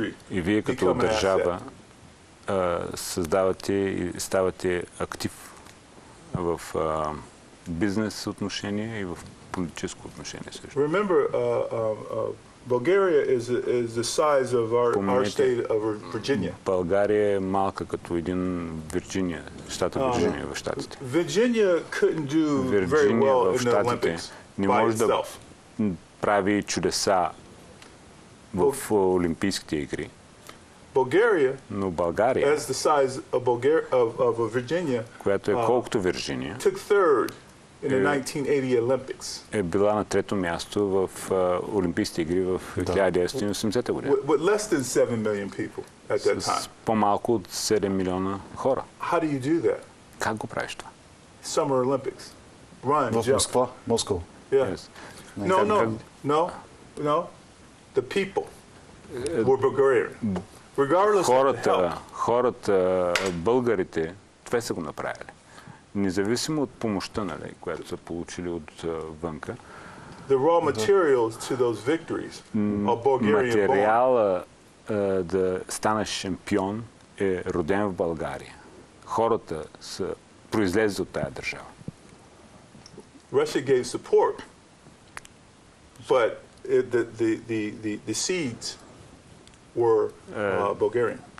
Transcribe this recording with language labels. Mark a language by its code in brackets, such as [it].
[bg] И вие като държава създавате и ставате актив в бизнес отношение и в политическо отношение също. [en] Remember, Bulgaria is the size of our state of Virginia. [bg] България е малка като един Вирджиния, щата Вирджиния в щатите. [en] Virginia couldn't do very well in the Olympics. [bg] Не може да прави чудеса в олимпийските игри. [en] Bulgaria, [bg] но България, [en] as the size of Bulgaria of Virginia, [bg] която е колкото Вирджиния, [en] took third. In the 1980 Olympics. [bg] Е била на трето място в олимпийските игри в 1980 година. [en] With less than 7 million people at that time. [bg] С по-малко от 7 милиона хора. [en] How do you do that? [bg] Как го правиш това? [en] Summer Olympics. Run, [bg] в Москва, Москва. [en] Yeah. Yes. No. The people were Bulgarian. Regardless [bg] хората, българите, това са го направили. Независимо от помощта, нали, която са получили от вънка. [en] The raw materials to those victories are Bulgarian. [bg] Материала да станеш шампион е роден в България. Хората са произлезли от тая държава. [en] Russia gave support. But the seeds were Bulgarian.